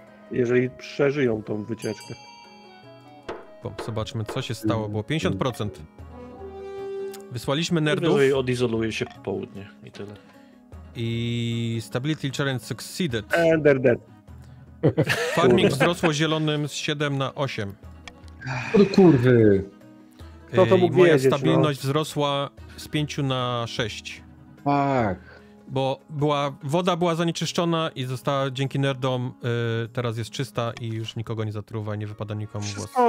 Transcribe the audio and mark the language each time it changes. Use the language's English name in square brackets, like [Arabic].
[Polish] Jeżeli przeżyją tą wycieczkę. Zobaczmy, co się stało. Było 50%. Wysłaliśmy nerdów. Najwyżej odizoluje się po południe i tyle. [English] I Stability Challenge succeeded. And they're dead. [Polish] Farming wzrosło zielonym z 7 na 8. No kurwy. Kto to mógł wiedzieć, stabilność wzrosła z 5 na 6. Tak. Bo woda była zanieczyszczona i została dzięki nerdom, teraz jest czysta i już nikogo nie zatruwa i nie wypada nikomu głos.